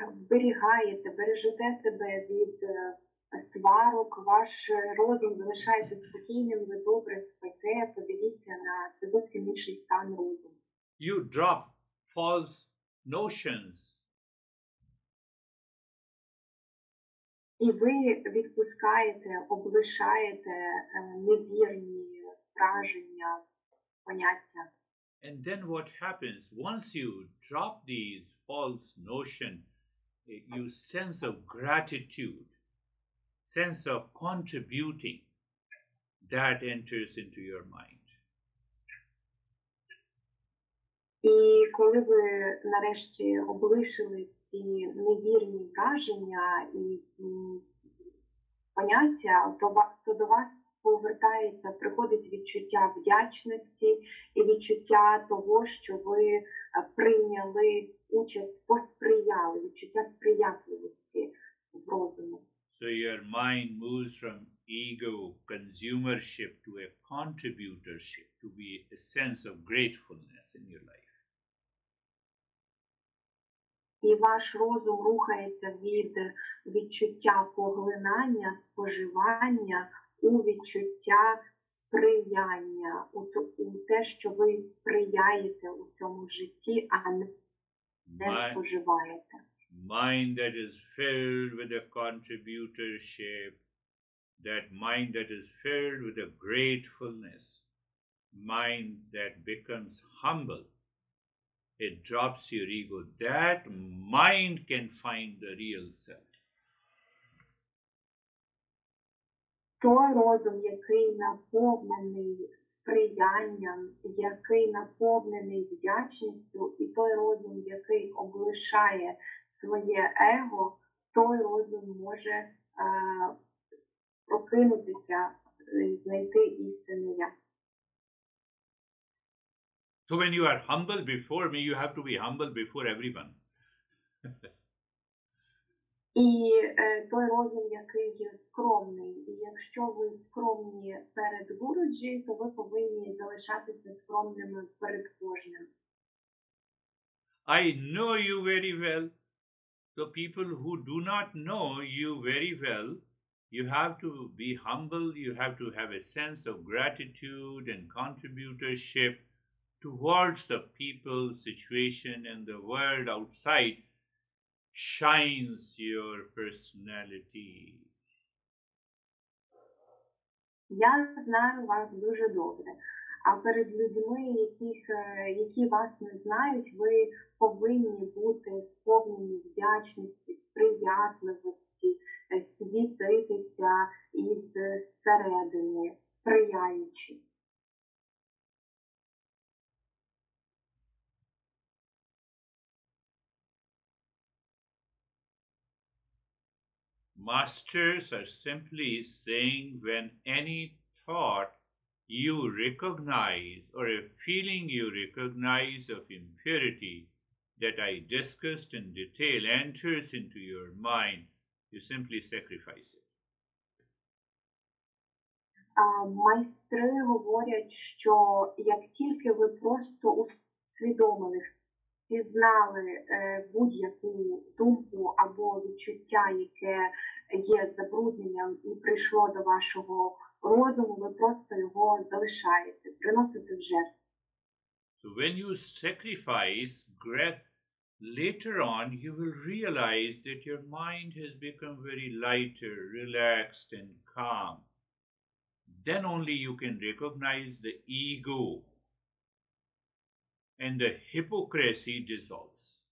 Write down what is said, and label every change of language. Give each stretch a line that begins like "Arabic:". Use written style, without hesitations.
Ukrainian: Бережете себе від сварок, ваш розум залишається спокійним, ви добре спите, подивіться на це зовсім інший стан розуму.
English: You drop false notions.
Ukrainian: І ви відпускаєте, облишаєте невірні враження, поняття.
English: And then what happens? Once you drop these false notions, you sense of gratitude, sense of contributing, that enters into your mind.
Ukrainian: І коли ви нарешті облишили ці невірні враження і поняття, то до вас повертається, приходить відчуття вдячності і відчуття того, що ви прийняли участь, посприяли, відчуття сприятливості в розумі.
English: So your mind moves from ego, consumership to a contributorship, to be a sense of gratefulness in your life.
Ukrainian: І ваш розум рухається від відчуття поглинання, споживання у відчуття сприяння, у те, що ви сприяєте у цьому житті, а не споживаєте.
English: Mind that is filled with a contributorship, that mind that is filled with a gratefulness, mind that becomes humble, it drops your ego. That mind can find the real self.
Ukrainian: Той розум, який наповнений сприянням, який наповнений вдячністю, і той розум, який облишає своє его, той розум може прокинутися, знайти істинне я.
English: So when you are humble before me, you have to be humble before everyone.
Ukrainian: І той розум, який є скромний. І якщо ви скромні перед Гуруджі, то ви повинні залишатися скромними перед кожним.
English: I know you very well. So people who do not know you very well, you have to be humble, you have to have a sense of gratitude and contributorship towards the people, situation, and the world outside shines your personality.
Ukrainian: Я знаю вас дуже добре. А перед людьми, які вас не знають, ви повинні бути сповнені вдячності, сприятливості, світитися із середини, сприяючи.
English: Masters are simply saying when any thought you recognize, or a feeling you recognize of impurity that I discussed in detail enters into your mind, you simply sacrifice it.
Ukrainian: Майстри говорять, що як тільки ви просто усвідомили, пізнали будь-яку думку або відчуття, яке є забрудненням і прийшло до вашого розуму, ви просто його залишаєте, приносите в жертву.
English: So when you sacrifice grief, later on you will realize that your mind has become very lighter, relaxed and calm. Then only you can recognize the ego and the hypocrisy dissolves.